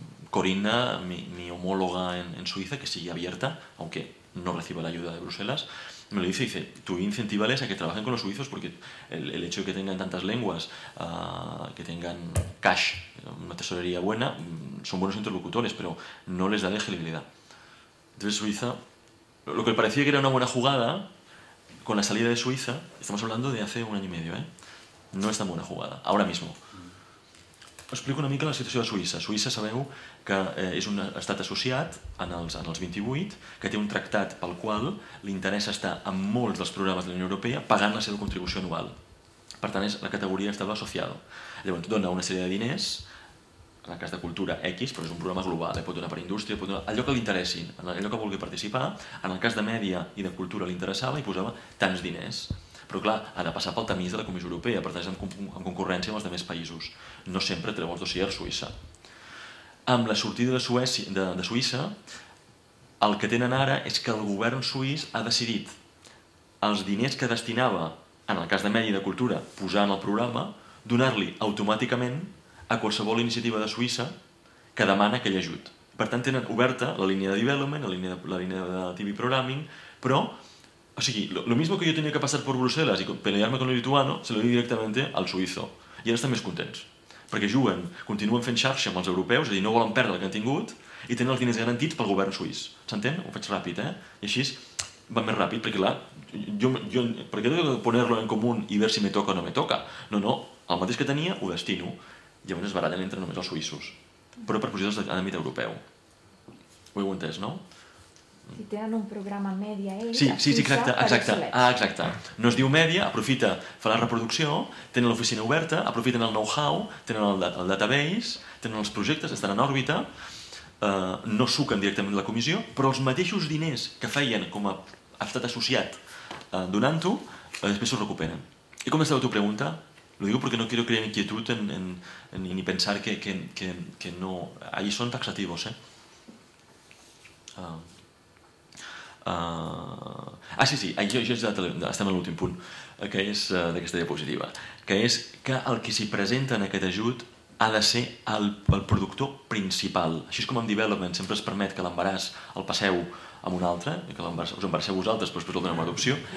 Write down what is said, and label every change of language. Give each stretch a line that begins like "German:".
Spanish: Corina, mi homóloga en Suiza, que sigue abierta, aunque no reciba la ayuda de Bruselas, me lo dice, tú incentivales a que trabajen con los suizos porque el hecho de que tengan tantas lenguas, que tengan cash, una tesorería buena, son buenos interlocutores, pero no les da elegibilidad. Entonces Suiza, lo que parecía que era una buena jugada, con la salida de Suiza, estamos hablando de hace un año y medio, ¿eh? No es tan buena jugada, ahora mismo.
Catalan: Os explico una mica la situació de Suïssa. Suïssa sabeu que és un estat associat en els 28, que té un tractat pel qual l'interès està en molts dels programes de la Unió Europea pagant la seva contribució anual. Per tant, és la categoria d'estat associat. Llavors, dona una sèrie de diners, en el cas de cultura, X, però és un programa global, pot donar per indústria, pot donar allò que li interessi, allò que vulgui participar, en el cas de mèdia i de cultura li interessava i posava tants diners. Però clar, ha de passar pel tamís de la Comissió Europea, per tant és en concurrència amb els altres països. No sempre treu els dossiers Suïssa. Amb la sortida de Suïssa, el que tenen ara és que el govern suís ha decidit els diners que destinava, en el cas de mèdia i de cultura, posar en el programa, donar-li automàticament a qualsevol iniciativa de Suïssa que demana aquell ajut. Per tant, tenen oberta la línia de development, la línia de TV programming, però... O sigui,
Spanish: lo mismo que yo tenía que pasar por Bruselas y pelearme con el lituano, se lo di directamente al suizo.
Catalan: I ara estan més contents. Perquè juguen, continuen fent xarxa amb els europeus, és a dir, no volen perdre el que han tingut, i tenen els diners garantits pel govern suís. S'entén? Ho faig ràpid, eh? I així va més ràpid, perquè clar, jo, perquè he de poner-lo en comú i
Spanish: ver si me toca
Catalan: o no me toca. No, no, el mateix que tenia, ho destino. Llavors es barallen entre només els suïssos. Però per posicions d'àmbit europeu. Ho heu entès, no? Si tenen un programa mèdia ells... Sí, sí, sí, exacte. No es diu mèdia, aprofita, fa la reproducció, tenen l'oficina oberta, aprofiten el know-how, tenen el database, tenen els projectes, estan en òrbita, no suquen directament la comissió, però els mateixos diners que feien com a estat associat donant-ho, després s'ho recuperen. I com està la teva pregunta?
Spanish: Lo digo porque no quiero crear inquietud ni pensar que no... Allí són taxativos, eh?
Catalan: Estem en l'últim punt, que és d'aquesta diapositiva, que és que el que s'hi presenta en aquest ajut ha de ser el productor principal. Així és com en development sempre es permet que l'embaràs el passeu amb un altre, que us embaraceu vosaltres, però després el donem a adopció.